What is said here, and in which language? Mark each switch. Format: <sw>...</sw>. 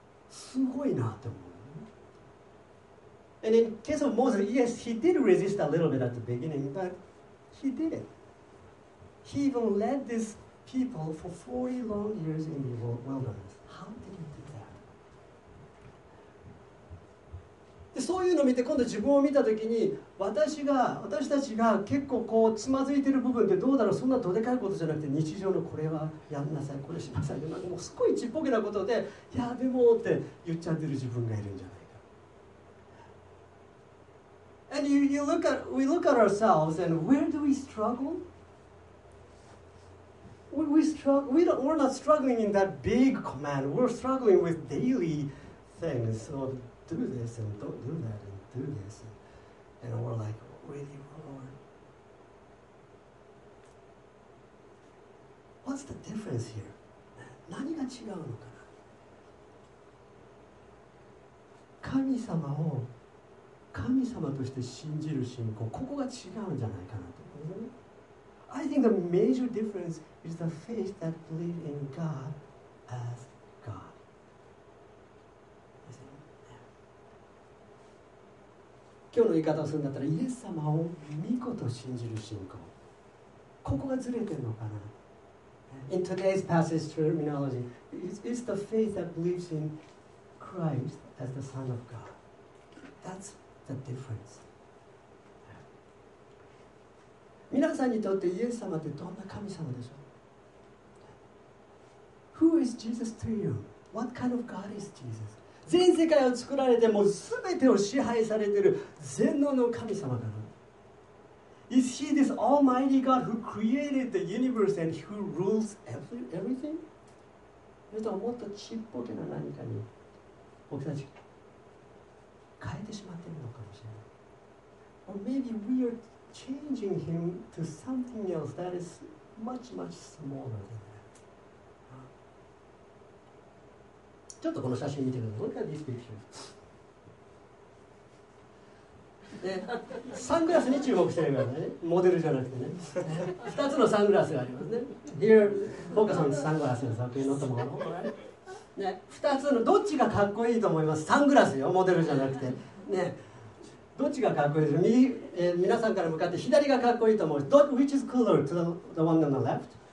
<ja>すごいなって思う、ね、</ja> <en>And in case of Moses, yes, he did resist a little bit at the beginning, but he did it. He even led this people for 40 long years in the wilderness. How did he do that?</en> <ja>でそういうのを見て、今度自分を見たときに、私たちが結構こうつまずいている部分ってどうだろう、そんなどでかいことじゃなくて、日常のこれはやんなさい、これしなさい、でもすっごいちっぽけなことで、いやでもって言っちゃってる自分がいるんじゃないか。</ja> <en>And we look at ourselves, and where do we struggle? We we're not struggling in that big command. We're struggling with daily things. So do this and don't do that and do this. And we're like, really, Lord? What's the difference here?</en> <ja>何が違うのかな？神様を神様として信じる信仰、ここが違うんじゃないかなと。</ja> <en>I think the major difference is the faith that believes in God as God. Yeah.</en> <ja>今日の言い方をするんだったら、イエス様を御子と信じる信仰、ここがずれてるのかな。</ja> <en>In today's passage terminology, it's the faith that believes in Christ as the Son of God. That's the difference.</en> <ja>皆さんにとってイエス様ってどんな神様でしょう？</ja> <en>Who is Jesus to you? What kind of God is Jesus?</en> <ja>全世界を作られてもう全てを支配されている全能の神様かな？</ja> <en>Is he this almighty God who created the universe and who rules everything?</en> <ja>それともっとちっぽけな何かに僕たち変えてしまっているのかもしれない。</ja> <en>Or maybe we are changing him to something else that is much, much smaller than that.</en> <ja>ちょっとこの写真見てください。</ja> <en>Look at this picture.</en> <ja>サングラスに注目してみますね。モデルじゃなくてね。2つのサングラスがありますね。</ja> <en>Here, focus on</en> <ja>サングラスの作品のとも。 2つの、どっちがかっこいいと思います？サングラスよ、モデルじゃなくて。ね、どっちがかっこいいですか？皆さんから向かって左がかっこいいと思う。</ja> <en>Which is cooler to the one on the left?</en>